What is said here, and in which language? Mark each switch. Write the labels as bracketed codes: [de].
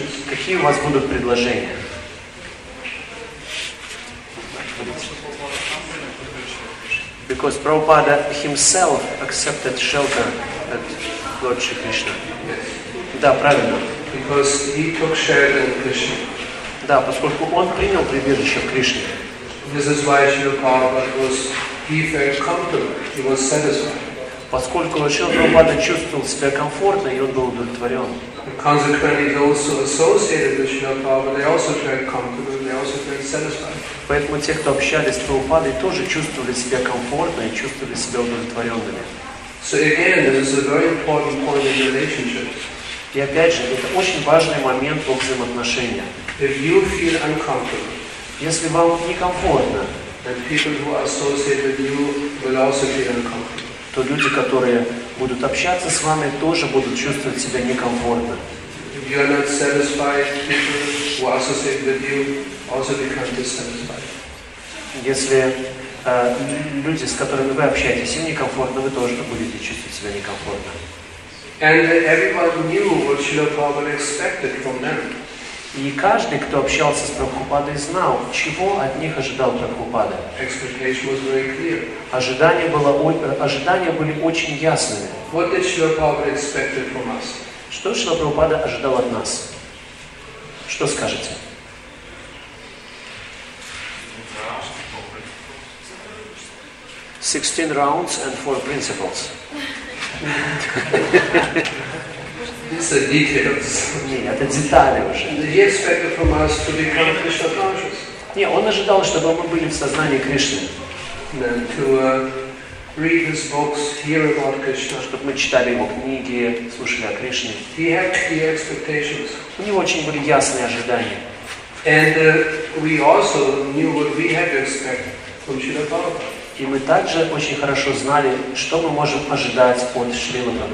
[ru] Какие у вас будут предложения? [en] Because Prabhupada himself accepted shelter at Lord Shri Krishna. [ru] Да, правильно. [en] Because he took shelter in Krishna. [ru] Да, поскольку он принял прибежище в Кришне. [en] This is why Shri Prabhupada was he felt comfortable, he was satisfied. [ru] Поскольку Шрила Прабхупада чувствовал себя комфортно, и он был удовлетворен. [en] Consequently, those who associated with Shrila Prabhupada, they also felt comfortable, they also felt satisfied. [ru] Поэтому те, кто общались с Прабхупадой, тоже чувствовали себя комфортно и чувствовали себя удовлетворенными. [en] So again, this is a very important point in relationships. [ru] И опять же, это очень важный момент во взаимоотношениях. [en] If you feel uncomfortable, [ru] если вам некомфортно, [en] that people who associate with you will also feel uncomfortable. [ru] То люди, которые будут общаться с вами, тоже будут чувствовать себя некомфортно. [en] If you are not satisfied, people who associate with you also become dissatisfied. [ru] Если люди, с которыми вы общаетесь, им некомфортно, вы тоже будете чувствовать себя некомфортно. [en] And everybody knew what Srila Prabhupada expected from them. [ru] И каждый, кто общался с Прабхупадой, знал, чего от них ожидал Прабхупада. [en] Expectation was very clear. [ru] Ожидания были очень ясными. [en] What did Srila Prabhupada expect from us? [ru] Что Шрила Прабхупада ожидал от нас? Что скажете? [en] Sixteen rounds and four principles. These are details. [ru] Нет, это детали уже. [en] He expected from us to become Krishna conscious. [ru] Не, он ожидал, чтобы мы были в сознании Кришны. [en] Then to read his books, hear about Krishna. [ru] Чтобы мы читали его книги, слушали о Кришне. [en] He had clear expectations. [ru] У него очень были ясные ожидания. [en] And we also knew what we had to expect from Srila Prabhupada. [ru] И мы также очень хорошо знали, что мы можем ожидать от Шрилы